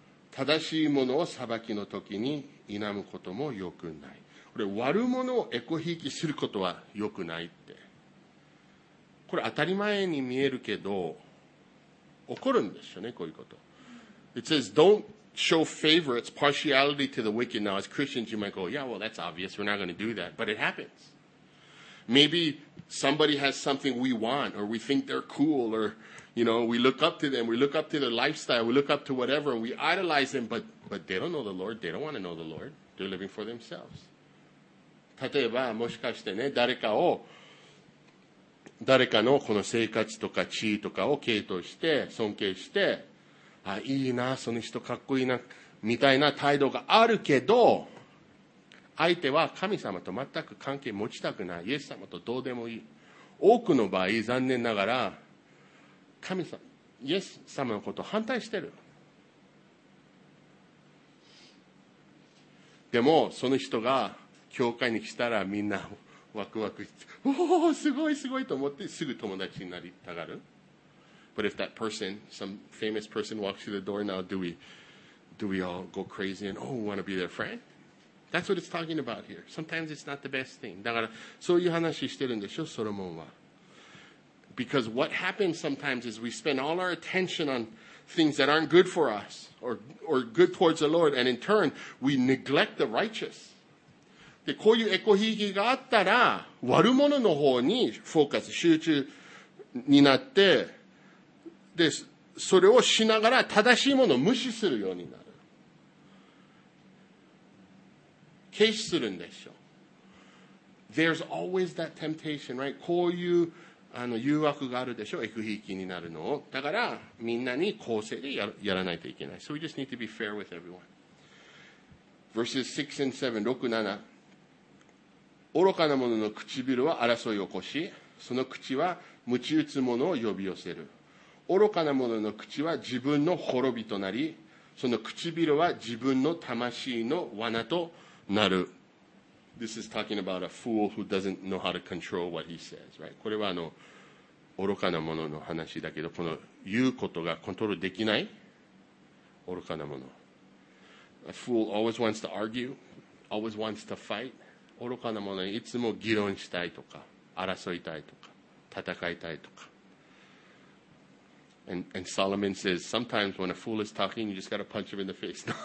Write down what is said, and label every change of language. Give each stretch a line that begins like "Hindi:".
Japanese: 正しいものを裁きの時に否むこともよくない。これ悪者をエコひいきすることはよくないって、これ当たり前に見えるけど起こるんですよね、こういうこと。
English: It says don't show favorites, partiality to the wicked. Now as Christians you might go, yeah, well that's obvious, we're not going to do that, but it happens. Maybe somebody has something we want, or we think they're cool, or you know, we look up to them, we look up to their lifestyle, we look up to whatever, we idolize them, but they don't know the Lord, they don't want to know the Lord, they're living for themselves.
Japanese: 例えばもしかしてね、誰かを誰かのこの生活とか地位とかを敬意して尊敬して、あ、いいなその人かっこいいなみたいな態度があるけど、相手は神様と全く関係持ちたくない、イエス様とどうでもいい。多くの場合残念ながら神様、イエス様のことを反対してる。でもその人が教会に来たらみんなワクワクして、おおすごいすごいと思ってすぐ友達になりたがる。
English: But if that person, some famous person walks through the door now, do we all go crazy and oh, want to be their friend? That's what it's talking about here. Sometimes it's not the best thing.
Japanese: だからそういう話してるんでしょ、ソロモンは。
English: Because what happens sometimes is we spend all our attention on things that aren't good for us or good towards the Lord, and in turn, we neglect the righteous.
Japanese: で、こういうエコひきがあったら、悪者の方にフォーカス、集中になって、で、それをしながら正しいものを無視するようになる。軽視するんでしょ。
English: There's always that temptation, right?
Japanese: こういう、誘惑があるでしょ、エコひきになるのを。だから、みんなに公正でやらないといけない。
English: So we just need to be fair with everyone. Verses 6 and 7, 6, 7.
Japanese: 愚かな者の唇は争いを起こし、その口は鞭打つ者を呼び寄せる。愚かな者の口は自分の滅びとなり、その唇は自分の魂の罠となる。
English: This is talking about a fool who doesn't know how to control what he says, right?
Japanese: これは愚かな者の話だけど、この言うことがコントロールできない愚かな者。
English: A fool always wants to argue, always wants to fight.
Japanese: 愚かなものにいつも議論したいとか争いたいとか戦いたいとか。
English: And Solomon says sometimes when a fool is talking you just gotta punch him in the face.